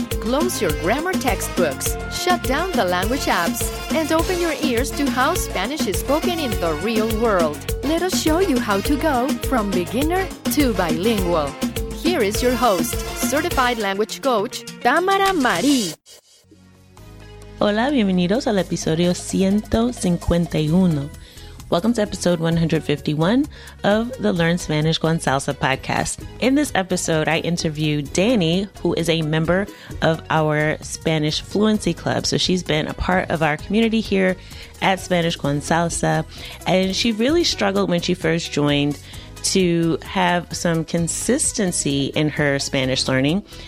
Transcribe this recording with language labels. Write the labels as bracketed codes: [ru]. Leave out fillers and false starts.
[en] Close your grammar textbooks, shut down the language apps, and open your ears to how Spanish is spoken in the real world. Let us show you how to go from beginner to bilingual. Here is your host, certified language coach, Tamara Marie. [es] Hola, bienvenidos al episodio 151. [en] Welcome to episode 151 of the Learn Spanish con Salsa podcast. In this episode, I interview Dani, who is a member of our Spanish Fluency Club. So she's been a part of our community here at Spanish con Salsa, and she really struggled when she first joined to have some consistency in her Spanish learning.